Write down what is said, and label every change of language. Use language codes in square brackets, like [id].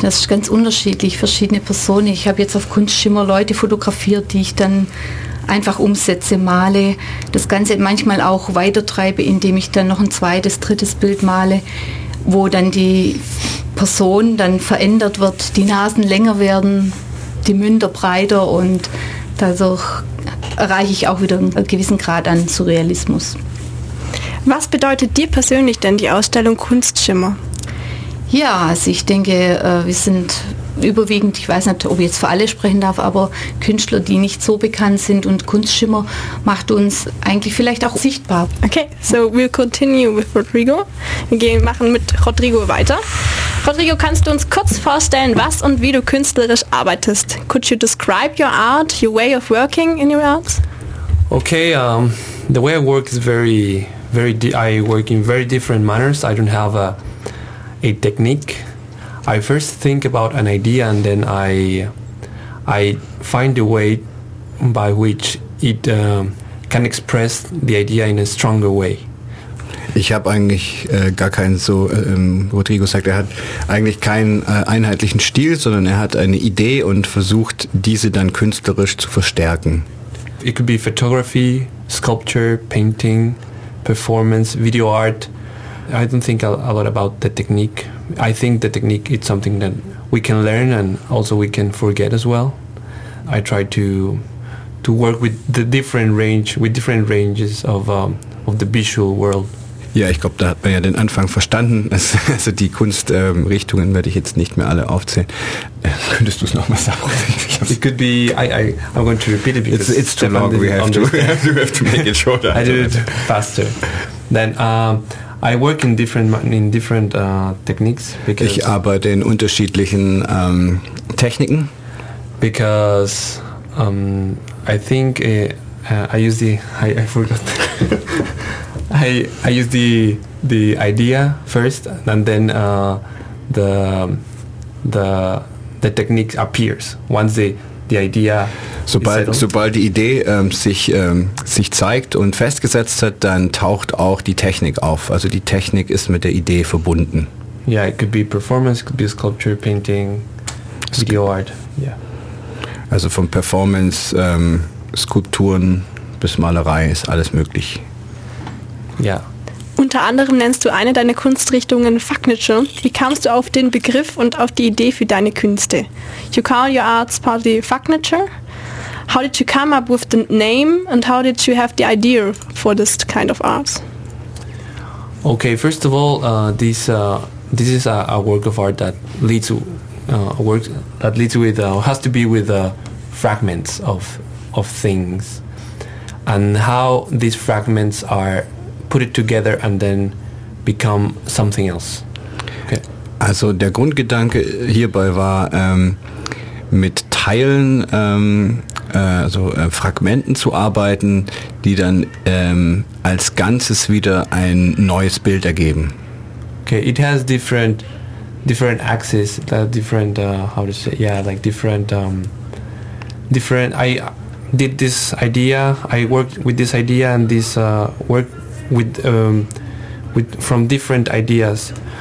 [de] Das ist ganz unterschiedlich, verschiedene Personen. Ich habe jetzt auf Kunstschimmer Leute fotografiert, die ich dann einfach umsetze, male, das Ganze manchmal auch weitertreibe, indem ich dann noch ein zweites, drittes Bild male, wo dann die Person dann verändert wird, die Nasen länger werden, die Münder breiter und dadurch erreiche ich auch wieder einen gewissen Grad an Surrealismus. Was bedeutet dir persönlich denn die Ausstellung Kunstschimmer? Ja, also ich denke, wir sind überwiegend, ich weiß nicht, ob ich jetzt für alle sprechen darf, aber Künstler, die nicht so bekannt sind und Kunstschimmer macht uns eigentlich vielleicht auch sichtbar. [en] Okay, so we'll continue with Rodrigo. [de] Wir machen mit Rodrigo weiter. Rodrigo, kannst du uns kurz vorstellen, was und wie du künstlerisch arbeitest? [en] Could you describe your art, your way of working in your art? Okay, the way I work is I work in very different manners. I don't have a technique. I first think about an idea and then I find a way by which it can express the idea in a stronger way. [de] Ich habe eigentlich gar keinen so, Rodrigo sagt, er hat eigentlich keinen einheitlichen Stil, sondern er hat eine Idee und versucht, diese dann künstlerisch zu verstärken. [en] It could be photography, sculpture, painting, performance, video art. I don't think a lot about the technique. I think the technique is something that we can learn and also we can forget as well. I try to work with the different range, with different ranges of the visual world. [de] Ja, ich glaube, da hat man ja den Anfang verstanden. Also die Kunstrichtungen werde ich jetzt nicht mehr alle aufzählen. Könntest du es nochmal sagen? [en] It could be, I'm going to repeat it because it's too long. We have to make it shorter. I do it faster. Then, I work in different techniques. [de] Because ich arbeite in unterschiedlichen Techniken. [en] Because I think I use the idea first, and then the technique appears once the idea. [de] Sobald die Idee sich zeigt und festgesetzt hat, dann taucht auch die Technik auf. Also die Technik ist mit der Idee verbunden. [en] Ja, yeah, it could be performance, it could be sculpture, painting, video art. Yeah. [de] Also von Performance, Skulpturen bis Malerei ist alles möglich. Ja. Yeah. Unter anderem nennst du eine deiner Kunstrichtungen Fagnitsche. Wie kamst du auf den Begriff und auf die Idee für deine Künste? [en] You call your arts partly Fagnitsche? How did you come up with the name and how did you have the idea for this kind of art? Okay, first of all, this is a work of art that leads a work that leads with has to be with fragments of things, and how these fragments are put it together and then become something else. Okay. [de] Also der Grundgedanke hierbei war mit Teilen. Fragmenten zu arbeiten, die dann als Ganzes wieder ein neues Bild ergeben. [en] Okay, it has different axes, different how to say, yeah, like different different. I did this idea. I worked with this idea and this work with from different ideas.